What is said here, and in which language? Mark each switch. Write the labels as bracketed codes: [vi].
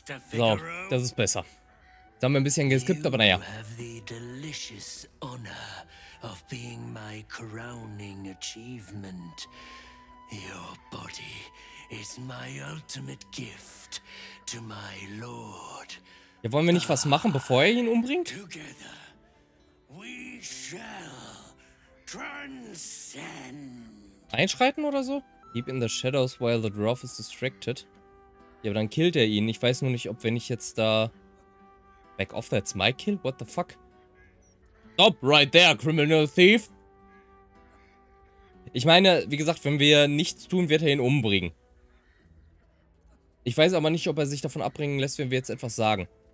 [de] So, das ist besser. Jetzt haben wir ein bisschen geskippt, aber naja. [en] You have the delicious honor of being my crowning achievement. Your body is my ultimate gift to my lord. [de] Ja, wollen wir nicht was machen, bevor er ihn umbringt? [en] Together we shall transcend. [de] Einschreiten oder so? [en] Keep in the shadows while the dwarf is distracted. [de] Ja, aber dann killt er ihn. Ich weiß nur nicht, ob wenn ich jetzt da... [en] Back off, that's my kill? What the fuck? Stop right there, criminal thief! [de] Ich meine, wie gesagt, wenn wir nichts tun, wird er ihn umbringen. Ich weiß aber nicht, ob er sich davon abbringen lässt, wenn wir jetzt etwas sagen.